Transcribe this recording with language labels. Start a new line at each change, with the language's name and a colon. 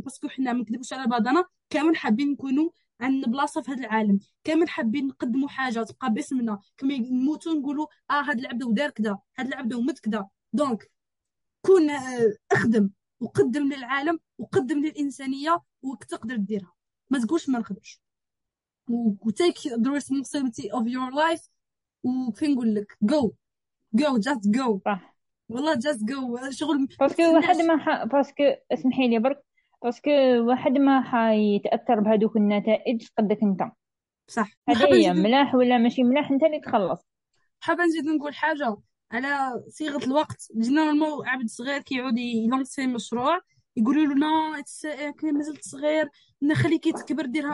Arabic: باسكو حنا ما نكذبوش على بعضنا، كامل حابين نكونوا عندنا بلاصه في هذا العالم، كامل حابين نقدموا حاجه تبقى باسمنا. كما يموتوا نقولوا اه هذا العبد ودار كذا، هذا العبد ومت كذا. دونك كون اخدم وقدم للعالم وقدم للانسانيه وك تقدر ديرها، ما تقولش ما نخدمش.
English: و take the responsibility of your life.
Arabic: وكيف نقول لك،
English: go go just go،
Arabic: صح.
English: والله just go.
Arabic: شغل ما باسكو واحد تستناش. ما ح... باسكو اسمحي لي برك، باسكو واحد ما حيتأثر بهذوك النتائج قدك انت، صح. هذه هي ملاح ولا ماشي ملاح انت اللي تخلص. حابة نزيد نقول حاجة على صيغة الوقت. جينيرالمون عبد صغير كيعود يلونسي مشروع يقولوا له نو مازلت صغير، نخليك تكبر ديرها.